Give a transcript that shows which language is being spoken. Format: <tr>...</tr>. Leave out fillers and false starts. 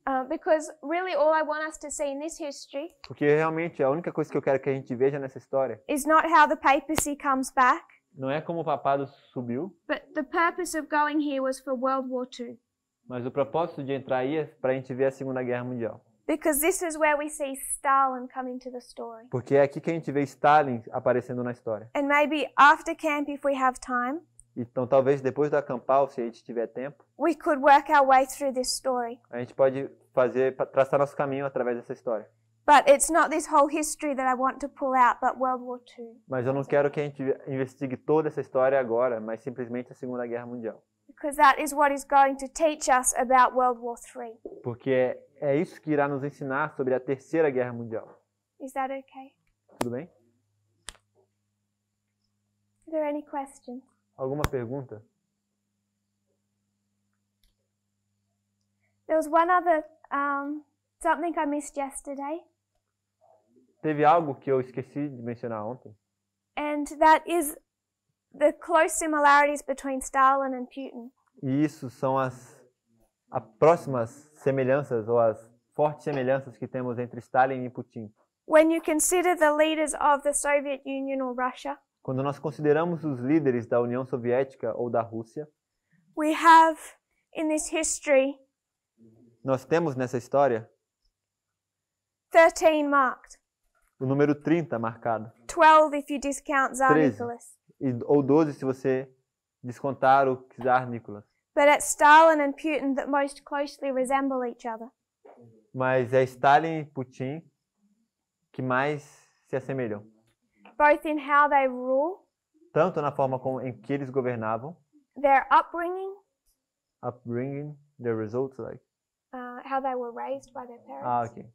<en>Because really all I want us to see in this history.</en> <pt>Porque realmente a única coisa que eu quero que a gente veja nessa história.</pt> <en>Is not how the papacy comes back.</en> <pt>Não é como o papado subiu.</pt> <en>But the purpose of going here was for World War II.</en> <pt>Mas o propósito de entrar aí é para a gente ver a Segunda Guerra Mundial.</pt> <en>Because this is where we see Stalin coming to the story.</en> <pt>Porque é aqui que a gente vê Stalin aparecendo na história.</pt> <en>And maybe after camp if we have time.</en> <pt>Então talvez depois do acampal, se a gente tiver tempo.</pt> <en>We could work our way through this story.</en> <pt>A gente pode fazer traçar nosso caminho através dessa história.</pt> <en>But it's not this whole history that I want to pull out, but World War II.</en> <pt>Mas eu não quero que a gente investigue toda essa história agora, mas simplesmente a Segunda Guerra Mundial.</pt> <en>Because that is what is going to teach us about World War III.</en> <pt>Porque é isso que irá nos ensinar sobre a Terceira Guerra Mundial.</pt> <en>Is that okay?</en> <pt>Tudo bem?</pt> <en>Are there any questions?</en> <pt>Alguma pergunta?</pt> <en>There was one other something I missed yesterday.</en> <pt>Teve algo que eu esqueci de mencionar ontem.</pt> <en>And that is the close similarities between Stalin and Putin.</en> <pt>E isso são as próximas semelhanças ou as fortes semelhanças que temos entre Stalin e Putin.</pt> <en>When you consider the leaders of the Soviet Union or Russia.</en> <pt>Quando nós consideramos os líderes da União Soviética ou da Rússia,</pt> <en>we have in this history,</en> <pt>nós temos nessa história</pt> <en>13 marked.</en> <pt>O número 30 marcado.</pt> <en>12 if you discount Tsar 13, Nicholas.</en> <pt>E, ou 12 se você descontar o Tsar Nicholas.</pt> <en>But it's Stalin and Putin that most closely resemble each other.</en> <pt>Mas é Stalin e Putin que mais se assemelham.</pt> <en>Both in how they rule,</en> <pt>tanto na forma como em que eles governavam,</pt> <en>their upbringing, their results, like how they were raised by their parents,</en>